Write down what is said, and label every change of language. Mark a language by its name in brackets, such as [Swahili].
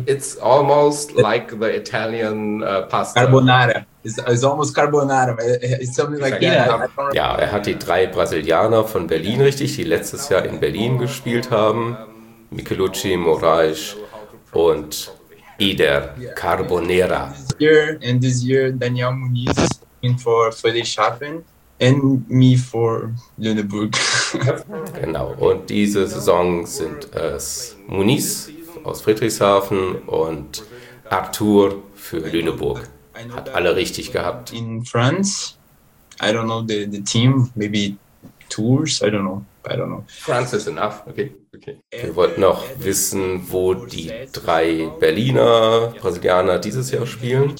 [English] It's almost like the Italian pasta. Carbonara. It's almost Carbonara. It's something like that. [German] Ja, er hat die drei Brasilianer von Berlin richtig, die letztes Jahr in Berlin gespielt haben. Michelucci, Moraes und Eder Carbonara. [English] This year, Daniel Muniz in for Friedrichshafen and me for Lüneburg. [German] Genau, und diese Saison sind es Muniz aus Friedrichshafen und Arthur für Lüneburg. Hat alle richtig gehabt. [English] In France, I don't know the team, maybe tours. I don't know. France is enough. Okay. [German] Wir wollten noch wissen, wo die drei Berliner, Brasilianer dieses Jahr spielen.